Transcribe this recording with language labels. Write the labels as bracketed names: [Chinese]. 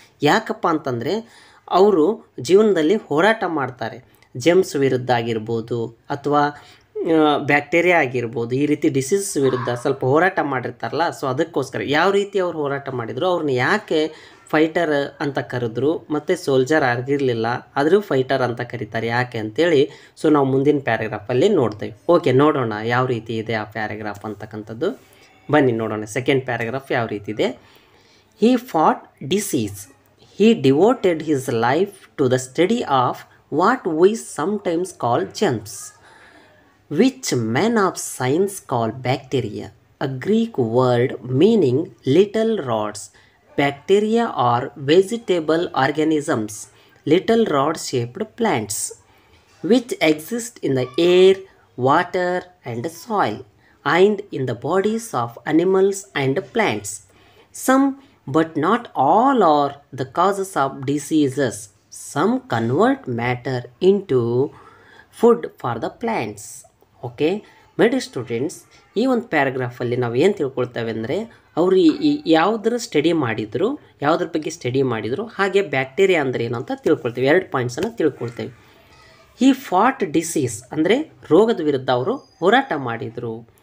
[Kannada] ಯಾಕಪ್ಪ ಅಂತಂದರೆ ಅವರು ಜೀವನದಲ್ಲಿ ಹೋರಾಟ ಮಾಡ್ತಾರೆ, ಜೆಮ್ಸ್ ವಿರುದ್ಧ ಆಗಿರ್ಬೋದು ಅಥವಾ ಬ್ಯಾಕ್ಟೀರಿಯಾ ಆಗಿರ್ಬೋದು ಈ ರೀತಿ ಡಿಸೀಸ್ ವಿರುದ್ಧ ಸ್ವಲ್ಪ ಹೋರಾಟ ಮಾಡಿರ್ತಾರಲ್ಲ ಸೊ ಅದಕ್ಕೋಸ್ಕರ ಯಾವ ರೀತಿ ಅವ್ರು ಹೋರಾಟ ಮಾಡಿದರು ಅವ್ರನ್ನ ಯಾಕೆ ಫೈಟರ್ ಅಂತ ಕರೆದ್ರು ಮತ್ತು ಸೋಲ್ಜರ್ ಆಗಿರಲಿಲ್ಲ ಆದರೂ ಫೈಟರ್ ಅಂತ ಕರೀತಾರೆ ಯಾಕೆ ಅಂತೇಳಿ ಸೊ ನಾವು ಮುಂದಿನ ಪ್ಯಾರಾಗ್ರಾಫಲ್ಲಿ ನೋಡ್ತೇವೆ. ಓಕೆ ನೋಡೋಣ ಯಾವ ರೀತಿ ಇದೆ ಆ ಪ್ಯಾರಾಗ್ರಾಫ್ ಅಂತಕ್ಕಂಥದ್ದು. ಬನ್ನಿ ನೋಡೋಣ ಸೆಕೆಂಡ್ ಪ್ಯಾರಾಗ್ರಾಫ್ ಯಾವ ರೀತಿ ಇದೆ. [English] He fought disease, he devoted his life to the study of what we sometimes call germs, which men of science call bacteria, a Greek word meaning little rods. Bacteria are vegetable organisms, little rod-shaped plants, which exist in the air, water and soil, and in the bodies of animals and plants. Some but not all are the causes of diseases. Some convert matter into food for the plants. Okay my dear students, [Kannada] ಈ ಒಂದು ಪ್ಯಾರಾಗ್ರಾಫಲ್ಲಿ ನಾವು ಏನು ತಿಳ್ಕೊಳ್ತೇವೆ ಅಂದರೆ, ಅವರು ಯಾವುದ್ರ study ಮಾಡಿದರು, ಯಾವುದ್ರ ಬಗ್ಗೆ ಸ್ಟಡಿ ಮಾಡಿದರು, ಹಾಗೆ ಬ್ಯಾಕ್ಟೀರಿಯಾ ಅಂದರೆ ಏನು ಅಂತ ತಿಳ್ಕೊಳ್ತೇವೆ. ಎರಡು ಪಾಯಿಂಟ್ಸನ್ನು ತಿಳ್ಕೊಳ್ತೇವೆ. [English] he fought disease, [Kannada] ಅಂದರೆ ರೋಗದ ವಿರುದ್ಧ ಅವರು ಹೋರಾಟ ಮಾಡಿದರು.